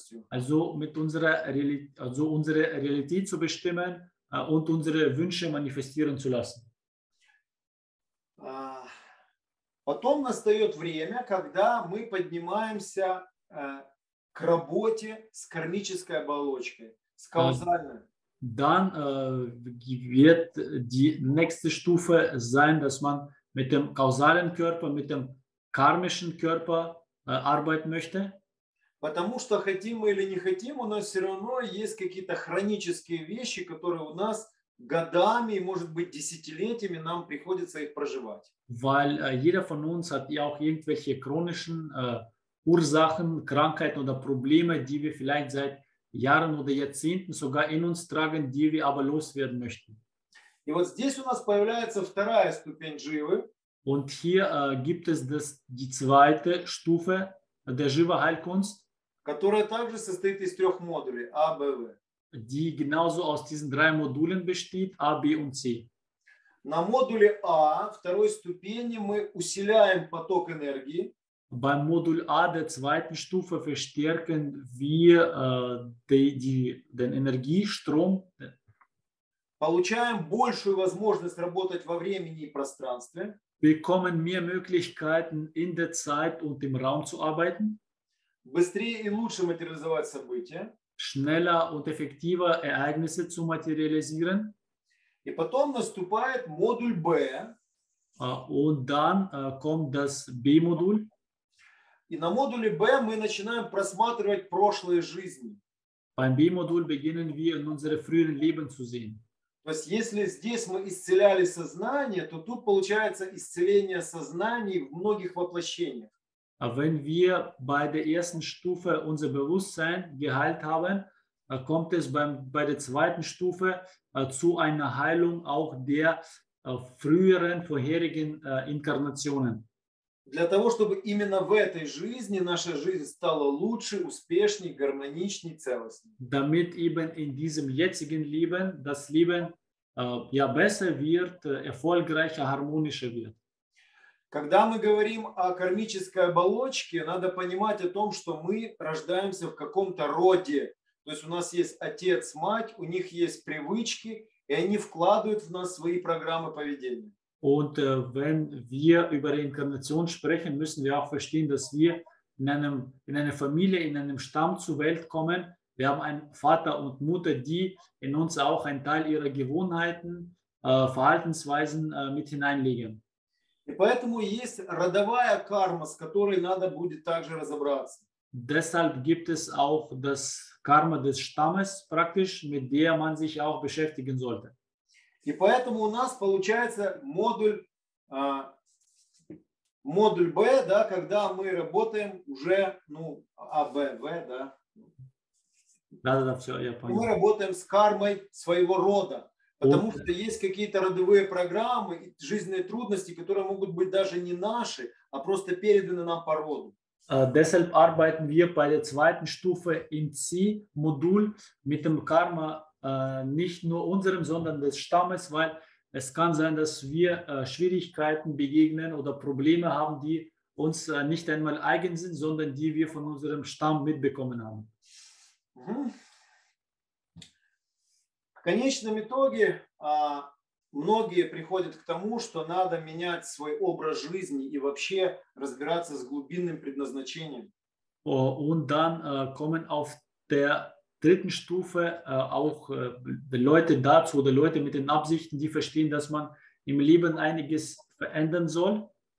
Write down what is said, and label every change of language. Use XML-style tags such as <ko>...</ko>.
<de>Also mit unserer unsere Realität zu bestimmen und unsere Wünsche manifestieren zu lassen.</de> <ru>Потом настает время, когда мы поднимаемся к работе с кармической оболочкой, с каузальной.</ru> <de>Dann wird die nächste Stufe sein, dass man mit dem kausalen Körper, mit dem karmischen Körper arbeiten möchte.</de> <ru>Потому что хотим мы или не хотим, у нас все равно есть какие-то хронические вещи, которые у нас годами, может быть, десятилетиями нам приходится их проживать.</ru> <de>Weil jeder von uns hat ja auch irgendwelche chronischen Ursachen, Krankheiten oder Probleme, die wir vielleicht seit Jahren oder Jahrzehnten sogar in uns tragen, die wir aber loswerden möchten.</de> <ru>И вот здесь у нас появляется вторая ступень живы.</ru> <de>Und hier gibt es das, die zweite Stufe der Jiva Heilkunst,</de> <ru>которая также состоит из трех модулей A, B, V.</ru> <de>Die genauso aus diesen drei Modulen besteht, A, B und C.</de> <ru>На модуле A, второй ступени, мы усиляем поток энергии.</ru> <de>Beim Modul A der zweiten Stufe verstärken wir den Energiestrom.</de> <ru>Получаем большую возможность работать во времени и пространстве.</ru> <de>Bekommen mehr Möglichkeiten in der Zeit und im Raum zu arbeiten.</de> <ru>Быстрее и лучше материализовать события.</ru> <de>Schneller und effektiver Ereignisse zu materialisieren.</de> <ru>И потом наступает модуль B.</ru> <de>Und dann kommt das B-Modul.</de> <ru>И на модуле B мы начинаем просматривать прошлые жизни.</ru> <de>Beim B-Modul beginnen wir in unsere früheren Leben zu sehen.</de> <ru>То есть если здесь мы исцеляли сознание, то тут получается исцеление сознаний в многих воплощениях.</ru> <de>Wenn wir bei der ersten Stufe unser Bewusstsein geheilt haben, kommt es bei der zweiten Stufe zu einer Heilung auch der früheren, vorherigen Inkarnationen.</de> <ru>Для того, чтобы именно в этой жизни наша жизнь стала лучше, успешнее, гармоничнее, целостнее.</ru> <de>Damit eben in diesem jetzigen Leben das Leben ja besser wird, erfolgreicher, harmonischer wird.</de> <ru>Когда мы говорим о кармической оболочке, надо понимать о том, что мы рождаемся в каком-то роде, То есть у нас есть отец, мать, у них есть привычки, и они вкладывают в нас свои программы поведения.</ru> <de>Und wenn wir über Reinkarnation sprechen, müssen wir auch verstehen, dass wir in einer Familie, in einem Stamm zur Welt kommen. Wir haben einen Vater und Mutter, die in uns auch einen Teil ihrer Gewohnheiten, Verhaltensweisen mit hineinlegen.</de> <ru>И поэтому есть родовая карма, с которой надо будет также разобраться.</ru> <de>Deshalb gibt es auch das Karma des Stammes praktisch, mit der man sich auch beschäftigen sollte.</de> <ru>И поэтому у нас получается модуль Б, да, когда мы работаем уже, ну, АБВ, да. Да-да-да, все, я понял. Мы работаем с кармой своего рода, потому вот. Что есть какие-то родовые программы, жизненные трудности, которые могут быть даже не наши, а просто переданы нам по роду.</ru> <de>Deshalb arbeiten wir bei der zweiten Stufe im C-Modul mit dem Karma nicht nur unserem, sondern des Stammes, weil es kann sein, dass wir Schwierigkeiten begegnen oder Probleme haben, die uns nicht einmal eigen sind, sondern die wir von unserem Stamm mitbekommen haben.</de> <ru>В конечном итоге многие приходят к тому, что надо менять свой образ жизни и вообще разбираться с глубинным предназначением.</ru> <de>Und dann kommen auf der dritten Stufe auch Leute dazu oder Leute mit den Absichten, die verstehen, dass man im Leben einiges verändern soll.</de>